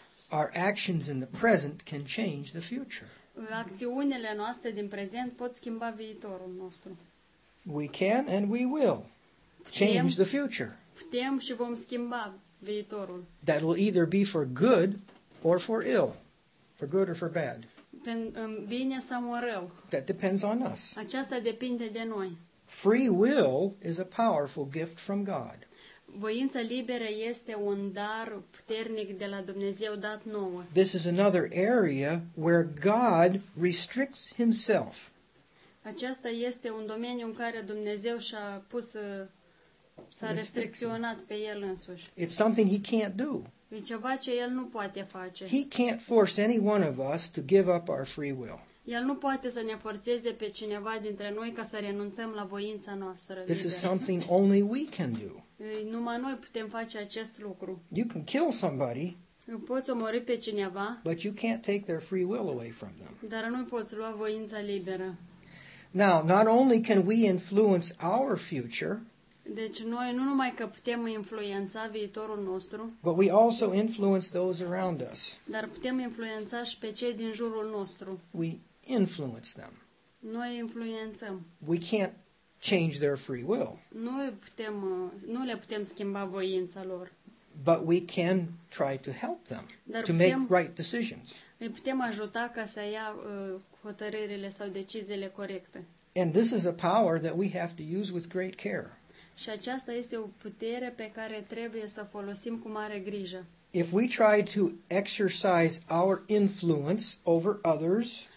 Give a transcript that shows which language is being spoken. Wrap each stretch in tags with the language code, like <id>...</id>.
<en>Our actions in the present can change the future.</en> <ro>Acțiunile noastre din prezent pot schimba viitorul nostru.</ro> <en>We can and we will change the future.</en> <ro>Putem și vom schimba viitorul.</ro> <en>That will either be for good or for ill. For good or for bad.</en> <ro>Bine sau rău.</ro> <en>That depends on us.</en> <ro>Aceasta depinde de noi.</ro> <en>Free will is a powerful gift from God.</en> <ro>Voința liberă este un dar puternic de la Dumnezeu dat nouă.</ro> <en>This is another area where God restricts himself.</en> <ro>Aceasta este un domeniu în care Dumnezeu și-a pus s-a restricționat pe el însuși.</ro> <en>It's something he can't do.</en> <ro>E ceva ce el nu poate face.</ro> <en>He can't force any one of us to give up our free will.</en> <ro>El nu poate să ne forțeze pe cineva dintre noi ca să renunțăm la voința noastră liberă.</ro> <en>This is something only we can do.</en> <ro>Numai noi putem face acest lucru.</ro> <en>You can kill somebody.</en> <ro>Poți omori pe cineva.</ro> <en>But you can't take their free will away from them.</en> <ro>Dar nu poți lua voința liberă.</ro> <en>Now, not only can we influence our future.</en> <ro>Deci noi nu numai că putem influența viitorul nostru.</ro> <en>But we also influence those around us.</en> <ro>Dar putem influența și pe cei din jurul nostru.</ro> <en>We influence them.</en> <ro>Noi influențăm.</ro> <en>We can't change their free will.</en> <ro>Nu le putem schimba voința lor.</ro> <en>But we can try to help them.</en> <ro>Dar</ro> <en>to make right decisions.</en> <ro>Îi putem ajuta ca să ia hotărârile sau deciziile corecte.</ro> <en>And this is a power that we have to use with great care.</en> <ro>Și aceasta este o putere pe care trebuie să o folosim cu mare grijă.</ro> <en>if we try to exercise our influence over others,</en>